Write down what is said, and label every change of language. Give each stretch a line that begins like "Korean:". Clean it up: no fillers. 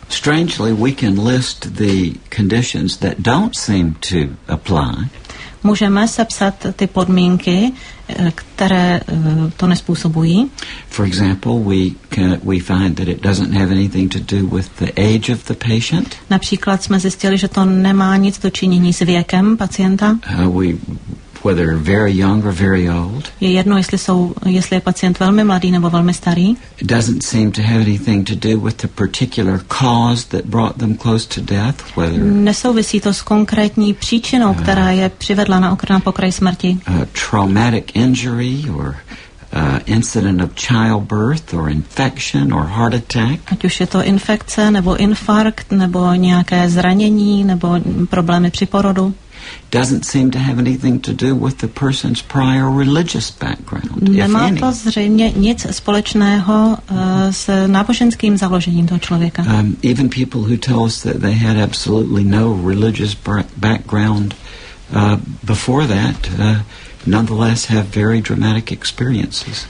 English: Strangely, we can list the conditions that don't seem to apply.
Czech: Můžeme sepsat ty podmínky, které to nespůsobují.
English: For example, we find that it doesn't have anything to do with the age of the patient.
Czech: Například jsme zjistili, že to nemá nic do činění s věkem pacienta.
English: Whether very young or very old.
Czech: Je jedno, jestli je pacient velmi mladý nebo velmi starý.
English: It doesn't seem to have anything to do with the particular cause that brought them close to death.
Czech: Nesouvisí to s konkrétní příčinou, která je přivedla na pokraj smrti.
English: A traumatic injury or incident of childbirth or infection or heart attack.
Czech: Ať už je to infekce nebo infarkt nebo nějaké zranění nebo problémy při porodu.
English: Doesn't seem to have anything to do with the person's prior religious background.
Czech: Nemá to zřejmě nic společného s náboženským založením toho člověka.
English: Even people who tell us that they had absolutely no religious background before that nonetheless have very dramatic experiences.